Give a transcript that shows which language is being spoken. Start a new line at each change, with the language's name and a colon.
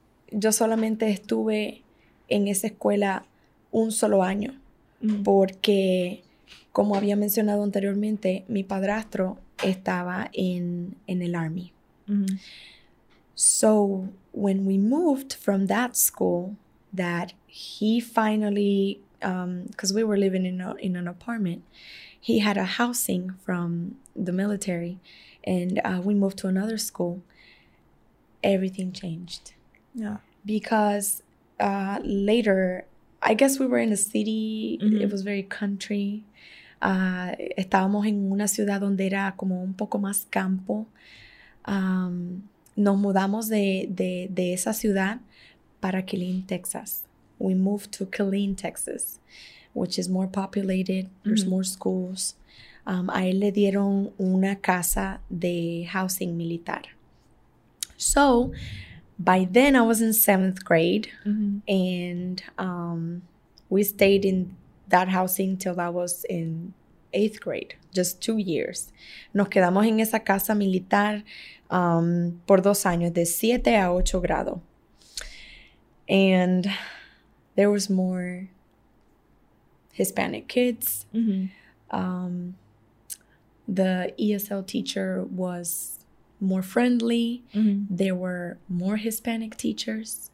Spanish: Yo solamente estuve en esa escuela un solo año. Mm-hmm. Porque, como había mencionado anteriormente, mi padrastro estaba en el army. Mm-hmm.
English: So when we moved from that school, that he finally, because we were living in an apartment, he had a housing from the military, and we moved to another school, everything changed. Yeah. Because later, I guess we were in a city, mm-hmm. it was very country.
Spanish: Estábamos en una ciudad donde era como un poco más campo. Nos mudamos de esa ciudad para Killeen, Texas.
English: We moved to Killeen, Texas, which is more populated. There's mm-hmm. more schools.
Spanish: A él le dieron una casa de housing militar.
English: So by then I was in seventh grade, mm-hmm. and we stayed in that housing till I was in eighth grade, just 2 years.
Spanish: Nos quedamos en esa casa militar por 2 años, de 7 a 8 grado.
English: And there was more Hispanic kids. Mm-hmm. The ESL teacher was more friendly. Mm-hmm. There were more Hispanic teachers,